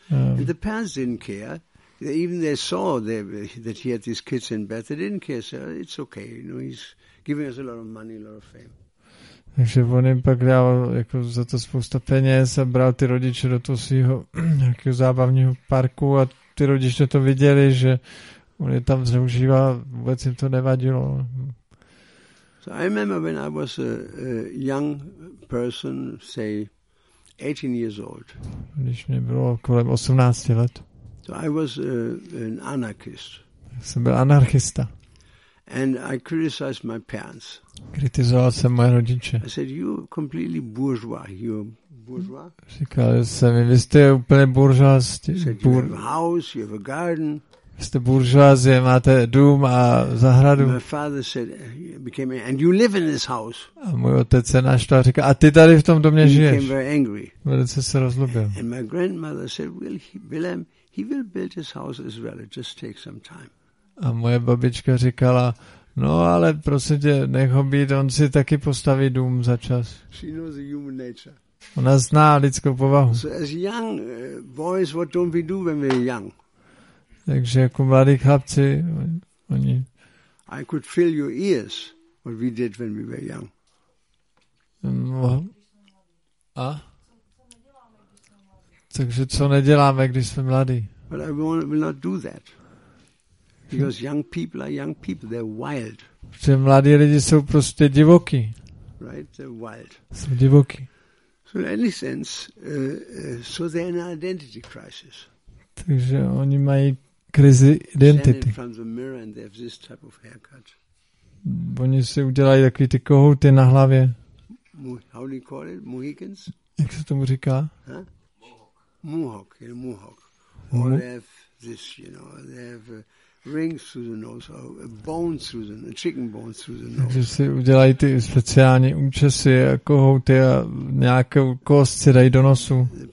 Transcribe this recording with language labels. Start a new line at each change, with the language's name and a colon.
English: And the parents didn't care. Even they saw that he had these kids in bed. They didn't care. So it's okay. You know, he's giving us a lot of money, a lot of fame.
Czech: Takže on jim pak dával jako za to spousta peněz a bral ty rodiče do toho svého nějakého zábavního parku a ty rodiče to viděli, že on je tam zneužívá, vůbec jim to nevadilo.
English: So I remember when I was a young person, say 18 years old.
Czech: Když mě bylo kolem 18 let.
English: So I was an anarchist.
Czech: Jsem byl anarchista.
English: And I criticized my parents.
Czech: Kritizoval jsem moje rodiče.
English: I said, you completely bourgeois. You're bourgeois?
Czech: Říkal jsem, vy jste úplně bourgeois.
English: You have a house, you have a garden.
Czech: Jste buržoázie, máte dům a zahradu.
English: My father said, and you live in this house.
Czech: A můj otec se naštval, říká, a ty tady v tom domě žiješ.
English: He became very angry.
Czech: Velice se rozlobil.
English: And my grandmother said, Wilhelm, he will build his house as well, it just takes some time.
Czech: A moje babička říkala, no ale prosím tě, nech ho být, on si taky postaví dům za čas.
English: She knows the human nature.
Czech: Ona zná lidskou povahu.
English: So as young boys, what don't we do when we're young?
Czech: Takže jako mladí chlapci, oni...
English: I could fill your ears, what we did when we were young.
Czech: A? Takže co neděláme, když jsme mladí?
English: But I will not do that. Because young people are young people, they're wild.
Czech: Protože mladí lidi jsou prostě divoký.
English: Right, they're wild.
Czech: Jsou divoký.
English: So in any sense, so they're in an identity crisis.
Czech: Takže oni mají krizi identity.
English: From the mirror and they have this type of haircut.
Czech: oni si udělají takový ty kohouty na hlavě.
English: How do you call it? Mohicans?
Czech: Jak se tomu říká?
English: Mohawk. Mohawk. Or they have this, you know, they have rings through the nose, or bones through the nose, chicken bones through the nose.
Czech: Takže si udělají ty speciální účesy a kohouty a nějakou kost si dají do nosu.